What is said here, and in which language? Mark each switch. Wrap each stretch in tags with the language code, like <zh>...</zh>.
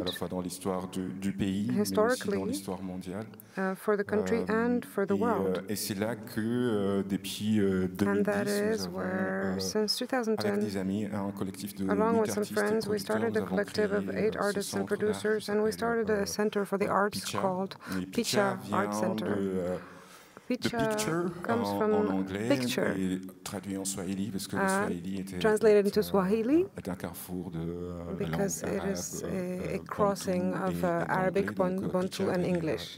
<fr>À la fois dans l'histoire du pays, mais aussi dans l'histoire mondiale.</fr> <en>For the country and for the world.</en> <fr>Et c'est là que depuis 2010,</fr> <en>and that is where, since 2010, along with some friends, we started a collective of eight artists and producers, and we started a center for the arts called Picha Art Center. Picture comes from picture,</en> <fr>et traduit en Swahili, parce que le Swahili était</fr> <en>translated into Swahili,</en> <fr>est un carrefour de</fr> <en>because it is a crossing of Arabic, Bantu, and English.</en>